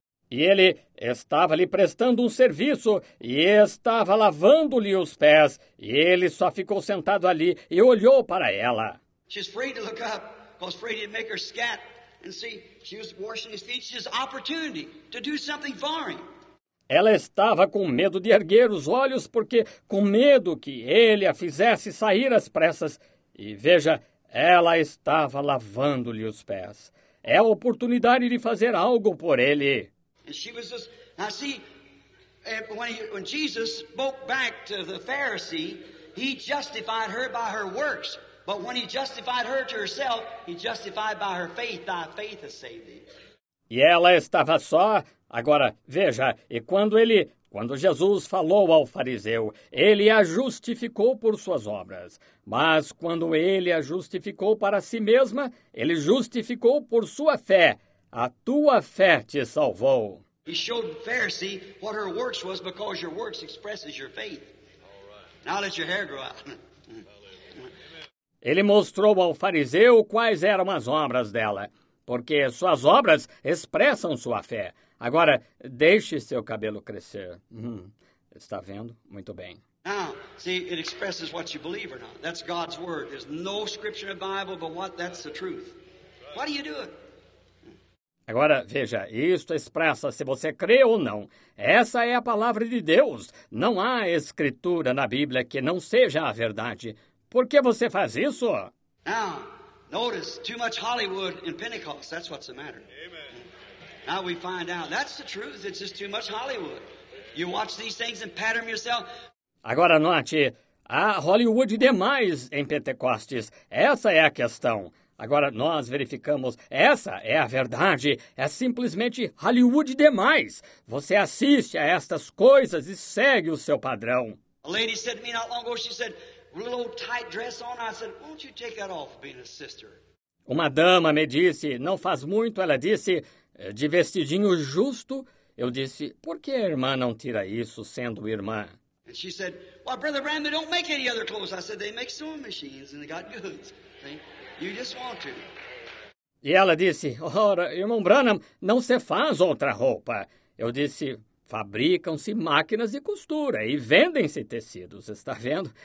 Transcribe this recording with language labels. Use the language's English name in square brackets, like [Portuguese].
[Portuguese] E ele estava lhe prestando um serviço e estava lavando-lhe os pés. E ele só ficou sentado ali e olhou para ela. [English] She's afraid to look up, because afraid he'd make her scat. And see, she was washing his feet. She's an opportunity to do something for him. [Portuguese] Ela estava com medo de erguer os olhos porque com medo que ele a fizesse sair às pressas. E veja, ela estava lavando-lhe os pés. É a oportunidade de fazer algo por ele. [English] And she was just, now see, when Jesus spoke back to the Pharisee, he justified her by her works. But when he justified her to herself, he justified by her faith, thy faith has saved thee. [Portuguese] E ela estava só. Agora, veja, e quando Jesus falou ao fariseu, ele a justificou por suas obras. Mas quando ele a justificou para si mesma, ele justificou por sua fé. A tua fé te salvou. [English] He showed the Pharisee what her works was because your works expresses your faith. Now let your hair grow out. [Portuguese] Ele mostrou ao fariseu quais eram as obras dela, porque suas obras expressam sua fé. Agora, deixe seu cabelo crescer. Está vendo? Muito bem. [English] Now, see, it expresses what you believe or not. That's God's word. There's no scripture in the Bible, but what? That's the truth. Why do you do it? [Portuguese] Agora, veja, isto expressa se você crê ou não. Essa é a palavra de Deus. Não há escritura na Bíblia que não seja a verdade. Por que você faz isso? [English] Now, notice, too much Hollywood in Pentecost. That's what's the matter. Amen. Now we find out. That's the truth. It's just too much Hollywood. You watch these things and pattern yourself. [Portuguese] Agora note, há Hollywood demais em Pentecostes. Essa é a questão. Agora nós verificamos, essa é a verdade, é simplesmente Hollywood demais. Você assiste a estas coisas e segue o seu padrão. [English] A lady said to me not long ago, she said, real old tight dress on. I said, won't you take that off being a sister? [Portuguese] Uma dama me disse, não faz muito, ela disse, de vestidinho justo. Eu disse, por que a irmã não tira isso sendo irmã? [English] And she said, well, Brother Bram, they don't make any other clothes. I said, they make sewing machines and they got goods. You just want to. [Portuguese] E ela disse, ora, irmão Branham, não se faz outra roupa. Eu disse, fabricam-se máquinas de costura e vendem-se tecidos, está vendo?